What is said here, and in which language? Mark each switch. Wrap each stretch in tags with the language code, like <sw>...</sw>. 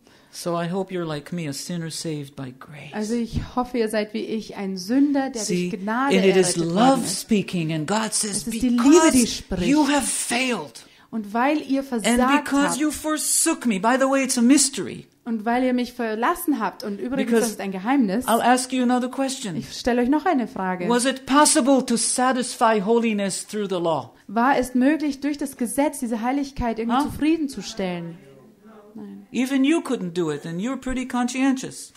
<en>So I hope you're like me, a sinner saved by grace.</en> <de>Also ich hoffe, ihr seid wie ich, ein Sünder, der</de> <en>See,</en> <de>durch Gnade</de> <en>and it is</en> <de>errettet</de> <en>love</en> <de>worden ist.</de> <en>Speaking and God says,</en> <de>es ist die Liebe, die spricht.</de> <en>You have failed.</en> <de>Und weil ihr versagt</de> <en>and because</en> <de>habt.</de> <en>You forsook me. By the way, it's a mystery.</en> <de>Und weil ihr mich verlassen habt, und übrigens,</de> <en>Because</en> <de>das ist ein Geheimnis,</de> <en>I'll ask you another question.</en> <de>Ich stelle euch noch eine Frage.</de> <en>Was it possible to satisfy holiness through the law?</en> <de>War es möglich, durch das Gesetz diese Heiligkeit irgendwie zufriedenzustellen? Nein.</de> <en>Even you couldn't do it, and you're pretty conscientious.</en>